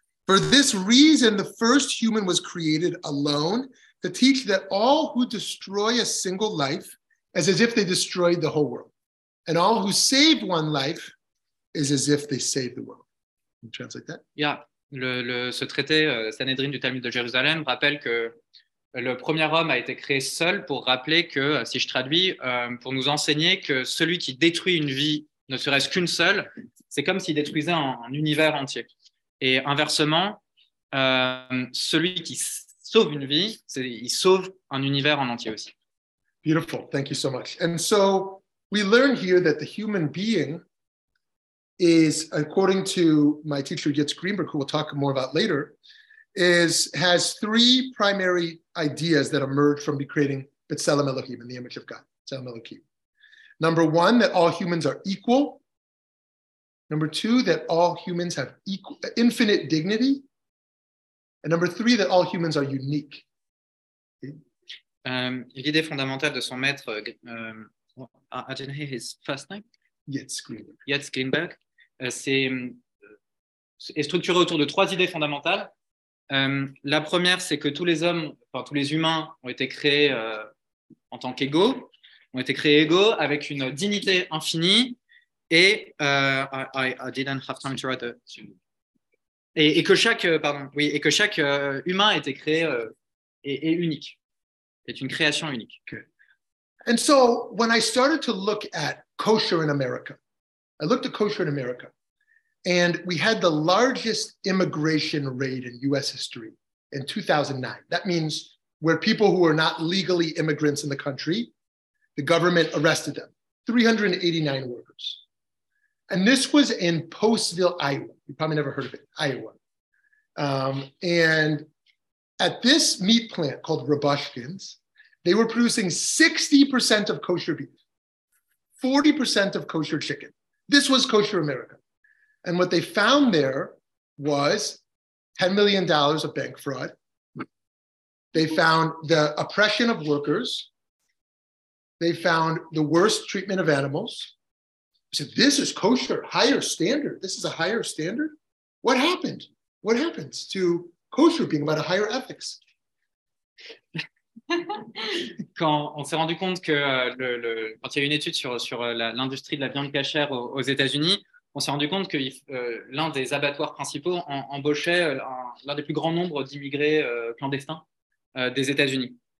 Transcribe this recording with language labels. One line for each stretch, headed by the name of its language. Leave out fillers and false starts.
English: For this reason, the first human was created alone to teach that all who destroy a single life is as if they destroyed the whole world. And all who save one life is as if they saved the world. Can you translate that? Yeah.
French: Ce traité Sanhedrin du Talmud de Jérusalem rappelle que le premier homme a été créé seul pour rappeler que, si je traduis, pour nous enseigner que celui qui détruit une vie, ne serait-ce qu'une seule, c'est comme s'il détruisait un univers entier. Et inversement, celui qui sauve une vie, il sauve un univers en entier aussi.
English: Beautiful, thank you so much. And so, we learn here that the human being is, according to my teacher Yitz Greenberg, who we'll talk more about later, has three primary ideas that emerge from creating B'Tselem Elohim, in the image of God, B'Tselem Elohim. Number one, that all humans are equal. Number two, that all humans have infinite dignity. And number three, that all humans are unique.
French: L'idée fondamentale de son maître,
English: I didn't hear his first name? Yitz Greenberg.
French: C'est structuré autour de trois idées fondamentales. La première, c'est que tous les humains ont été créés en tant qu'égaux, ont été créés égaux avec une dignité infinie et que chaque humain a été créé et unique, est une création unique.
English: Okay. And so, when I started to look at kosher in America, I looked at kosher in America, and we had the largest immigration raid in US history in 2009. That means where people who are not legally immigrants in the country, the government arrested them, 389 workers. And this was in Postville, Iowa. You probably never heard of it, Iowa. And at this meat plant called Rabushkin's, they were producing 60% of kosher beef, 40% of kosher chicken. This was kosher America. And what they found there was $10 million of bank fraud. They found the oppression of workers. They found the worst treatment of animals. So this is kosher, higher standard. This is a higher standard. What happened? What happens to kosher being about a higher ethics?
French: Quand on s'est rendu compte que quand il y a une étude sur l'industrie de la viande cachère aux États-Unis, on s'est rendu compte que l'un des abattoirs principaux embauchait l'un des plus grands nombres d'immigrés clandestins des États-Unis.